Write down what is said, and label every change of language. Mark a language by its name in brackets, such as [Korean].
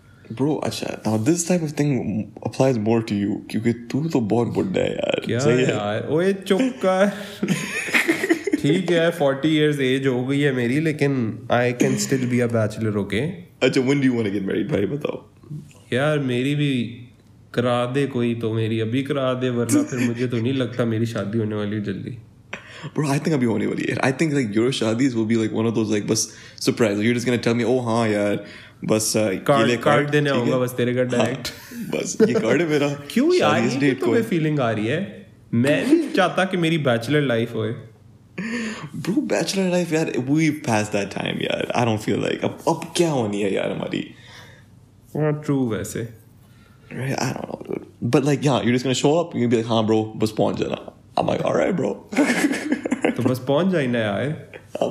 [English] Bro, acha, now this type of thing applies more to you because [Hindi] tu to bahut budda hai yaar. Kya yaar? Oye, chup kar. ठीक है, 40 years age हो गई है मेरी, लेकिन [English] I can still be a bachelor, okay? अच्छा, when do you want to get married, [Hindi] भाई बताओ? यार मेरी भी करा दे कोई तो, मेरी अभी करा दे, वरना फिर मुझे तो नहीं लगता मेरी शादी होने वाली है जल्दी. [English] Bro, I think I'll be [Hindi] होने वाली है. [English] I think like your shadis will be like one of those like बस surprise. You're just gonna tell me, oh [Hindi] हाँ यार, बस card देने आऊँगा बस तेरे घर direct. बस ये card है मेरा. क्यों यार ये तुम्हें feeling आ रही है? मैं नहीं चाहता कि मेरी bachelor life होए. [English] Bro, bachelor life, yaar, we passed that time, yaar. I don't feel like [Hindi] ab kya honi hai yaar hamari. [English] Not true, वैसे. Right, I don't know, dude. But like, yeah, you're just gonna show up. You're gonna be like, [Hindi] haan, bro, bas pahunch jana. [English] I'm like, all right, bro. [Hindi] To bas pahunch jana, yaar.